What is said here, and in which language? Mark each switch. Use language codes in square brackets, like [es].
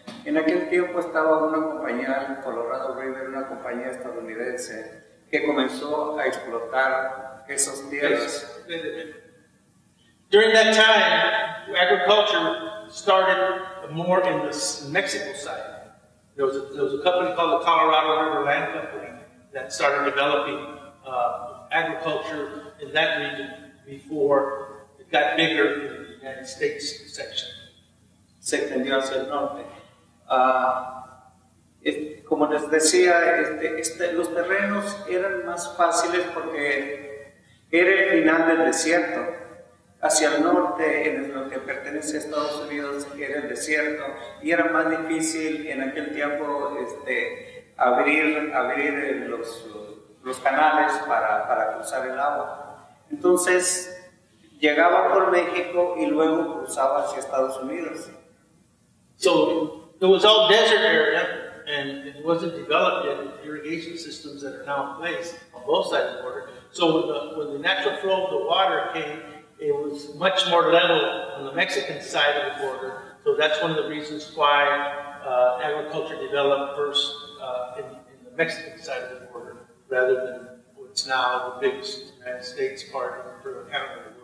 [es] En aquel tiempo estaba una compañía, Colorado River, una compañía estadounidense, que comenzó a explotar esos tierras. [en] During that time, agriculture started more in the Mexico side. There was a company called the Colorado River Land Company that started developing agriculture in that region before it got bigger in the United States section. [es] Se extendió hacia el norte. Como les decía, los terrenos eran más fáciles porque era el final del desierto. Hacia el norte, en lo que pertenece a Estados Unidos, era el desierto y era más difícil en aquel tiempo abrir los canales para cruzar el agua. Entonces, llegaba por México y luego cruzaba hacia Estados Unidos. [en] So, it was all desert area, and it wasn't developed yet, the irrigation systems that are now in place on both sides of the border. So when the natural flow of the water came, it was much more level on the Mexican side of the border. So that's one of the reasons why agriculture developed first in the Mexican side of the border, rather than what's now the biggest United States part of the country.